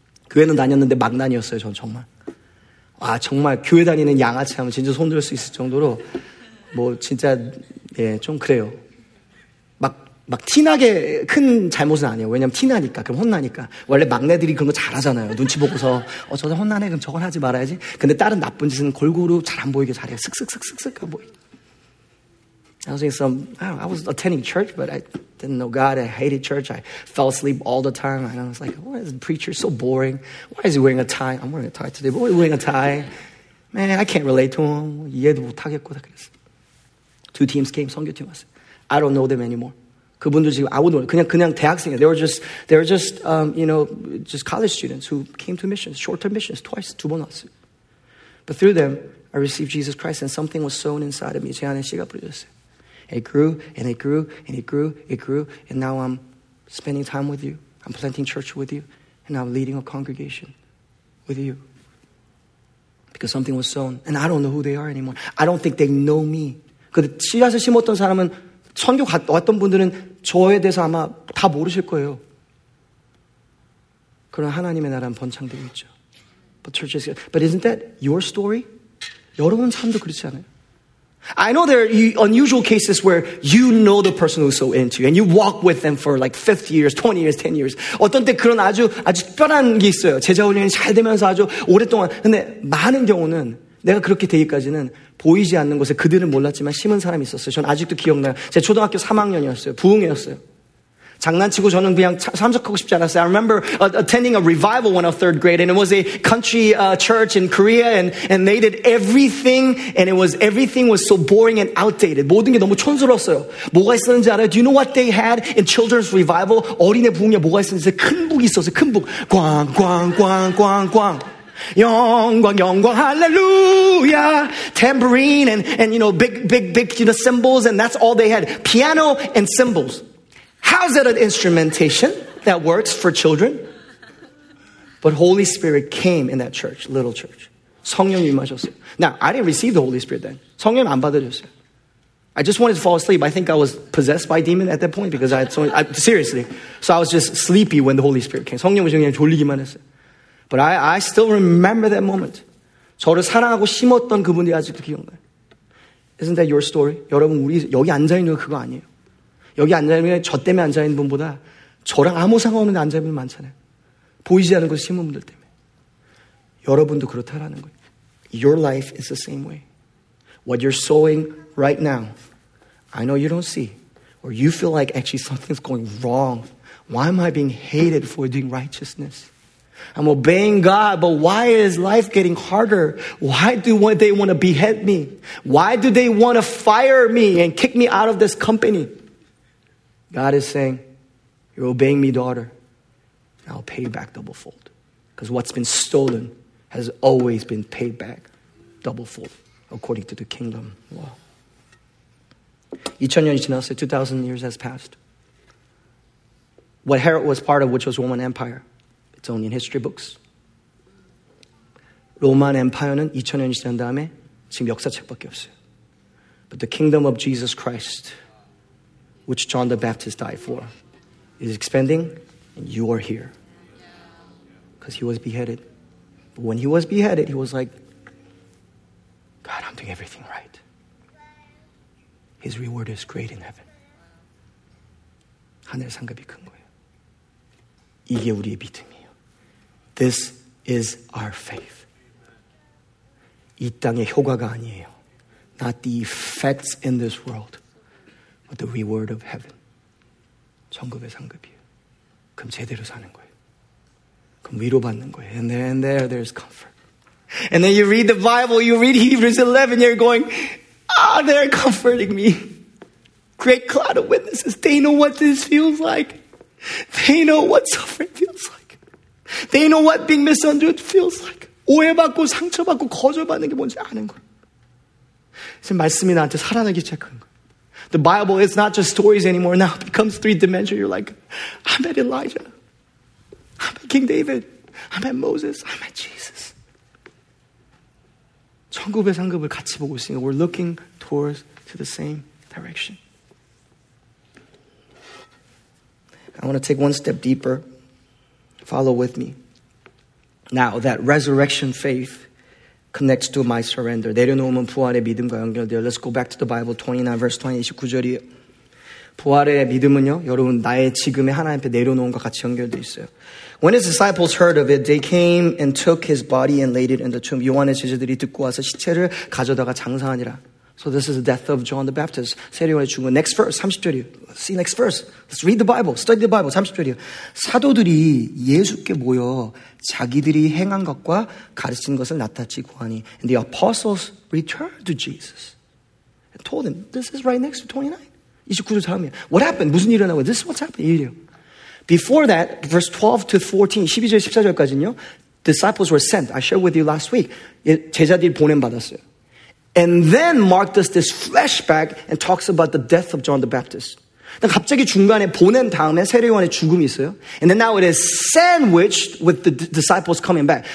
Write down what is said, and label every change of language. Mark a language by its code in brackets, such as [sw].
[ko] 교회는 다녔는데 막난이었어요, 전 정말. 와, 정말 교회 다니는 양아치 하면 진짜 손들 수 있을 정도로 뭐 진짜 예, 좀 그래요. 막 티나게 큰 잘못은 아니에요. 왜냐면 티나니까, 그럼 혼나니까. 원래 막내들이 그런 거 잘하잖아요. 눈치 보고서 어 저거 혼나네, 그럼 저건 하지 말아야지. 근데 다른 나쁜 짓은 골고루 잘 안 보이게 잘해요. 슥슥슥슥슥 안 보이게. [en] I was in some, I was attending church, but I didn't know God. I hated church. I fell asleep all the time. And I was like, why is the preacher so boring? Why is he wearing a tie? I'm wearing a tie today, but why is he wearing a tie? Man, I can't relate to him. [ko] 이해도 못하겠고, 다 그랬어. [en] Two teams came, [ko] 성교팀 왔어. [en] I don't know them anymore. [ko] 그분들 지금 아무도 몰라. 그냥 대학생이야. [en] They were just, you know, just college students who came to missions, short-term missions, twice, [ko] 두 번 왔어. [en] But through them, I received Jesus Christ and something was sown inside of me. [ko] 제 안에 씨가 뿌려졌어요. [en] It grew, and it grew, and it grew, it grew, and now I'm spending time with you. I'm planting church with you, and I'm leading a congregation with you. Because something was sown, and I don't know who they are anymore. I don't think they know me. [ko] 근데 씨앗을 심었던 사람은, 선교 왔던 분들은 저에 대해서 아마 다 모르실 거예요. 그러나 하나님의 나라는 번창되고 있죠. [en] But church is good. But isn't that your story? [ko] 여러분 삶도 그렇지 않아요? [en] I know there are unusual cases where you know the person who's so into you and you walk with them for like 50 years, 20 years, 10 years. [ko] 어떤 때 그런 아주 특별한 게 있어요. 제자 훈련이 잘 되면서 아주 오랫동안. 근데 많은 경우는 내가 그렇게 되기까지는 보이지 않는 곳에 그들은 몰랐지만 심은 사람이 있었어요. 저는 아직도 기억나요. 제 초등학교 3학년이었어요. 부흥회였어요. 장난치고 저는 그냥 참석하고 싶지 않았어요. [en] I remember attending a revival when I was third grade and it was a country church in Korea and they did everything and everything was so boring and outdated. [ko] 모든 게 너무 촌스러웠어요. 뭐가 있었는지 알아요? [en] Do you know what they had in children's revival? [ko] 어린애 부흥에 뭐가 있었는지 큰 북이 있었어요. 큰 북. 꽝, 꽝, 꽝, 꽝, 꽝. 영광, 영광, hallelujah. [en] Tambourine and you know, big, you know, cymbals and that's all they had. Piano and cymbals. How's that an instrumentation that works for children? But Holy Spirit came in that church, little church. [ko] 성령이 임하셨어요. [en] Now, I didn't receive the Holy Spirit then. [ko] 성령 안 받아줬어요. [en] I just wanted to fall asleep. I think I was possessed by a demon at that point because So I was just sleepy when the Holy Spirit came. [ko] 성령 오시면 그냥 졸리기만 했어요. [en] But I still remember that moment. [ko] 저를 사랑하고 심었던 그분이 아직도 기억나요. [en] Isn't that your story? [ko] 여러분, 우리 여기 앉아있는 거 그거 아니에요. 여기 앉아있는 게 저 때문에 앉아있는 분보다 저랑 아무 상관없는 앉아있는 분 많잖아요. 보이지 않은 곳에 심은 분들 때문에. 여러분도 그렇다라는 거예요. [en] Your life is the same way. What you're sowing right now, I know you don't see. Or you feel like actually something's going wrong. Why am I being hated for doing righteousness? I'm obeying God, but why is life getting harder? Why do they want to behead me? Why do they want to fire me and kick me out of this company? God is saying, you're obeying me, daughter. I'll pay you back double-fold. Because what's been stolen has always been paid back double-fold according to the kingdom law. 2000 years, 2,000 years has passed. What Herod was part of, which was Roman Empire, it's only in history books. 로만 엠파이어는 2000년이 지난 다음에 지금 역사책밖에 없어요. But the kingdom of Jesus Christ, which John the Baptist died for, is expanding, and you are here. Because he was beheaded. But when he was beheaded, he was like, God, I'm doing everything right. His reward is great in heaven. [ko] 하늘의 상급이 큰 거예요. 이게 우리의 믿음이에요. [en] This is our faith. [ko] 이 땅의 효과가 아니에요. [en] Not the effects in this world. But the reward of heaven. [ko] 천국의 상급이에요. 그럼 제대로 사는 거예요. 그럼 위로받는 거예요. [en] And then there's comfort. And then you read the Bible, you read Hebrews 11, you're going, Ah, they're comforting me. Great cloud of witnesses. They know what this feels like. They know what suffering feels like. They know what being misunderstood feels like. [ko] 오해받고 상처받고 거절받는 게 뭔지 아는 거예요. 지금 말씀이 나한테 살아나기 시작한 거예요. [en] The Bible is not just stories anymore. Now it becomes three-dimensional. You're like, I met Elijah. I met King David. I met Moses. I met Jesus. [ko] 천국의 상급을 같이 보고 있으니까 [en] we're looking towards to the same direction. I want to take one step deeper. Follow with me. Now, that resurrection faith connects to my surrender. [ko] 내려놓으면 부활의 믿음과 연결되어. [en] Let's go back to the Bible 29 verse 20, [ko] 29절이에요. 부활의 믿음은요, 여러분, 나의 지금의 하나님께 내려놓은 것과 같이 연결되어 있어요. [en] When his disciples heard of it, they came and took his body and laid it in the tomb. [ko] 요한의 제자들이 듣고 와서 시체를 가져다가 장사하니라. [en] So this is the death of John the Baptist. [ko] 세례요한의 죽음. [en] Next verse, [ko] 30절이요. [en] See next verse. Let's read the Bible. Study the Bible. 30절이요. [ko] 사도들이 예수께 모여 자기들이 행한 것과 가르친 것을 낱낱이 구하니. [en] And the apostles returned to Jesus and told him, this is right next to 29. [ko] 29절 다음이요. [en] What happened? [ko] 무슨 일이 일어나고? [en] This is what's happened. [ko] 이래요. [en] Before that, verse 12 to 14, [ko] 12절, 14절까지는요. [en] Disciples were sent. I shared with you last week. [ko] 제자들이 보냄 받았어요. [en] And then Mark does this flashback and talks about the death of John the Baptist. [ko] 갑자기 중간에 보낸 다음에 세례요한의 죽음이 있어요. [en] And then now it is sandwiched with the disciples coming back.